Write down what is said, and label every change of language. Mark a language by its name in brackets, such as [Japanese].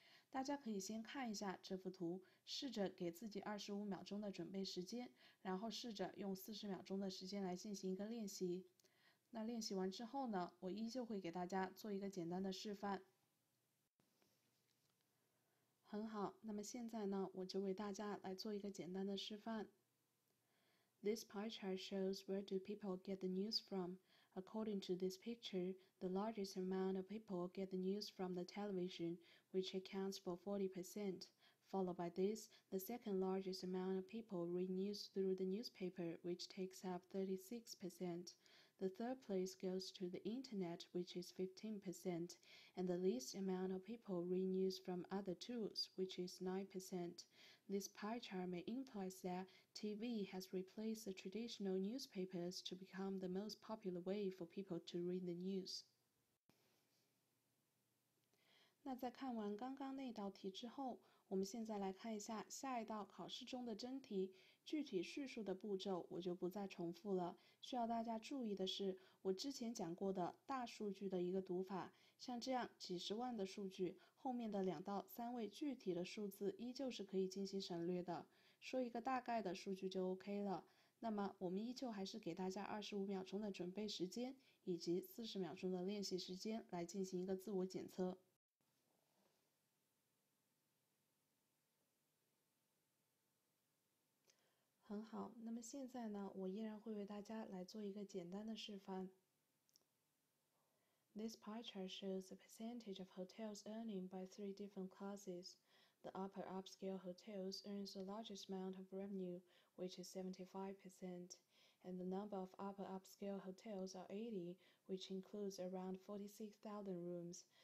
[Chinese] 大家可以先看一下这幅图，试着给自己25秒钟的准备时间，然后试着用40秒钟的时间来进行一个练习。那练习完之后呢，我依旧会给大家做一个简单的示范。很好，那么现在呢，我就为大家来做一个简单的示范。 [English] This pie chart shows where do people get the news from. According to this picture, the largest amount of people get the news from the television, which accounts for 40%. Followed by this, the second largest amount of people read news through the newspaper, which takes up 36%. The third place goes to the internet, which is 15%. And the least amount of people read news from other tools, which is 9%. This pie chart may implies that TV has replaced the traditional newspapers to become the most popular way for people to read the news. [Chinese] 那在看完刚刚那道题之后，我们现在来看一下下一道考试中的真题，具体叙述的步骤我就不再重复了。需要大家注意的是，我之前讲过的大数据的一个读法，像这样几十万的数据，后面的两到三位具体的数字依旧是可以进行省略的，说一个大概的数据就 OK 了。那么我们依旧还是给大家25秒钟的准备时间以及40秒钟的练习时间来进行一个自我检测。很好，那么现在呢，我依然会为大家来做一个简单的示范。 [English] This pie chart shows the percentage of hotels earning by three different classes. The upper upscale hotels earns the largest amount of revenue, which is 75%, and the number of upper upscale hotels are 80, which includes around 46,000 rooms.